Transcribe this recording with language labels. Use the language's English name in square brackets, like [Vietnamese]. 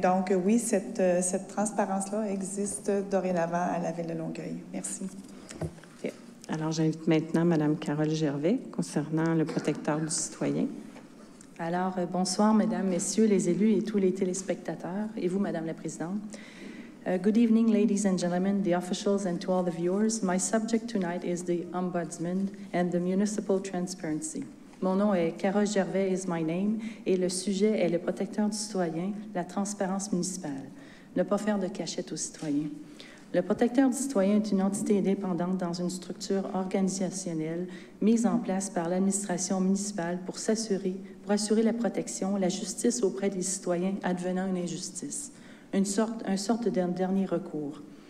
[French] Donc, oui, cette transparence-là existe dorénavant à la Ville de Longueuil. Merci. Alors, j'invite maintenant Mme Carole Gervais concernant le protecteur du citoyen. Alors, bonsoir, mesdames, messieurs, les élus et tous les téléspectateurs, et vous, madame la présidente. [English] Good evening, ladies and gentlemen, the officials and to all the viewers. My subject tonight is the Ombudsman and the Municipal Transparency. [French] Mon nom est Carole Gervais, [English] is my name, [French] et le sujet est le protecteur du citoyen, la transparence municipale. Ne pas faire de cachette aux citoyens. Le protecteur du citoyen est une entité indépendante dans une structure organisationnelle mise en place par l'administration municipale pour assurer la protection, la justice auprès des citoyens advenant une injustice, une sorte de dernier recours.